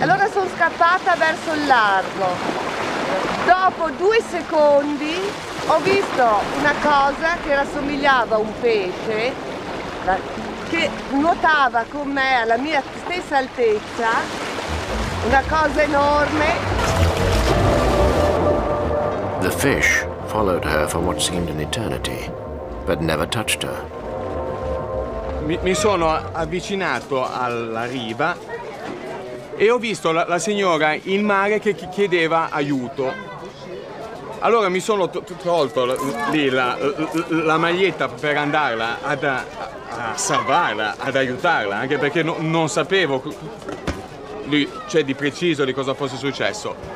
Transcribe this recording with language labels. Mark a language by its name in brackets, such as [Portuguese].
[Italian] Allora sono scappata verso il largo. Dopo 2 secondi ho visto una cosa che rassomigliava a un pesce, che nuotava con me alla mia stessa altezza. Una cosa enorme. [English] The fish followed her for what seemed an eternity, but never touched her. [Italian] Mi sono avvicinato alla riva e ho visto la signora in mare che chiedeva aiuto. Allora mi sono tolto lì la maglietta per andarla a salvarla, ad aiutarla, anche perché non sapevo lui, cioè di preciso di cosa fosse successo.